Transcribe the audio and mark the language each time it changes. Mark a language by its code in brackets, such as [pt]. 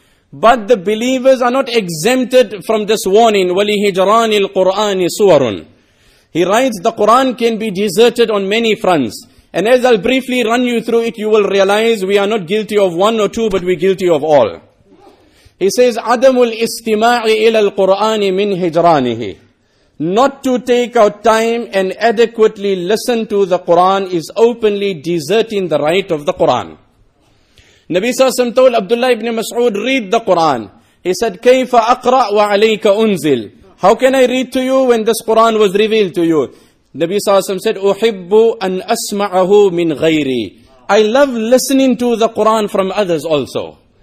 [en] But the believers are not exempted from this warning. [ar] وَلِهِجْرَانِ الْقُرْآنِ سُوَرٌ. [en] He writes, the Quran can be deserted on many fronts. And as I'll briefly run you through it, you will realize we are not guilty of one or two, but we're guilty of all. He says, [ar] عَدَمُ الْإِسْتِمَاعِ إِلَى الْقُرْآنِ مِنْ هِجْرَانِهِ. [en] Not to take out time and adequately listen to the Quran is openly deserting the right of the Quran. Nabi sallallahu alayhi wa sallam told Abdullah ibn Mas'ud, read the Quran. He said, [ar] كَيْفَ أَقْرَأْ وَعَلَيْكَ أُنزِلْ. [en] How can I read to you when this Quran was revealed to you? Nabi sallallahu alayhi wa sallam said, [ar] أُحِبُّ أَنْ أَسْمَعَهُ مِنْ غَيْرِي. [en] I love listening to the Quran from others also.